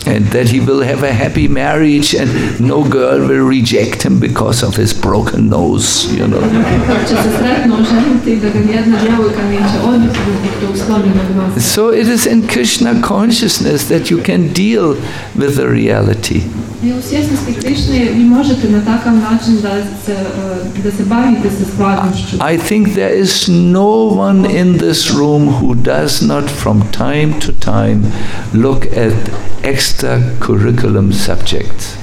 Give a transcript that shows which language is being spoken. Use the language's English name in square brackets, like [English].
[English] And that he will have a happy marriage and no girl will reject him because of his broken nose, you know. [Bosnian] Će se sretno oženiti da ga nijedna djevojka neće odbiti zbog tog slomljenog nosa. [English] So it is in Krishna consciousness that you can deal with the reality. [Bosnian] U svjesnosti Krišne vi možete na takav način da se bavite sa stvarnošću. [English] I think there is no one in this room who does not from time to time look at extra curriculum subjects.